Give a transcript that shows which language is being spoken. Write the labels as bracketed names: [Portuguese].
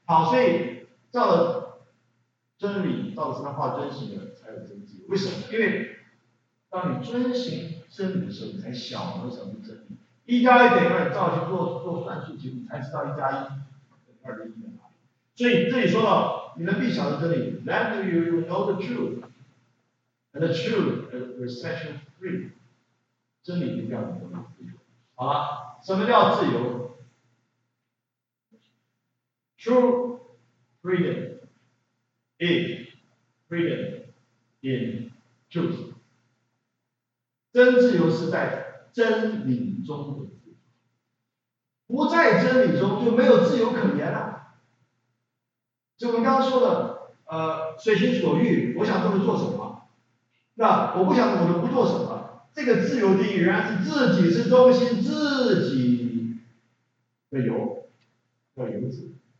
[Chinese] 好，所以照着真理，照着神的话遵行的才有真理。为什么？因为当你遵行真理的时候，你才晓得什么是真理。一加一等于二，照去做算术题，你才知道一加一等于二的意义在哪里。所以这里说到，你们必晓得真理。 [English] Let you know the truth. And the truth is recession free. [Chinese] 真理就叫你得到自由。好了，什么叫自由？ [English] True freedom is freedom in truth. [Chinese] 真自由是在真理中的自由。不在真理中就没有自由可言了。就我们刚刚说的，随心所欲，我想这么做什么。那我不想，我就不做什么。这个自由定义仍然是自己是中心，自己的由，叫由自。